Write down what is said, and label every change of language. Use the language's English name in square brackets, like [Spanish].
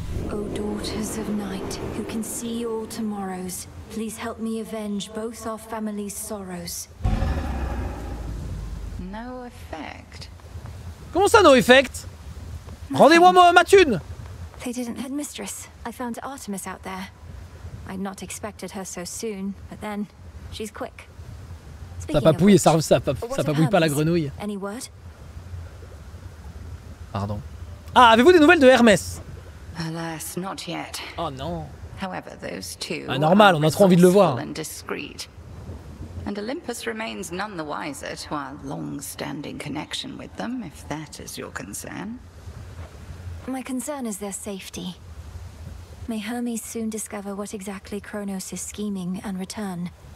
[English] Oh, daughters of night, who can see all tomorrows, please help me avenge both our family's sorrows. No effect. [French] Comment ça, [English] no effect? [French] Rendez-moi moi ma thune. [English] They didn't head mistress. I found Artemis out there. I'd not expected her so soon, but then she's quick. [French] Ça papouille, ça ne papouille pas la grenouille. [English] Any word? [French] Pardon. Ah, avez-vous des nouvelles de Hermès? [English] Alas, not yet. [French] Oh non. [English] However, those two. [French] Ah, normal, on a trop envie de le voir. [English] And discreet. And Olympus remains none the wiser to our long-standing connection with them, if that is your concern. My concern is their safety. May Hermes soon discover what exactly Kronos is scheming and return.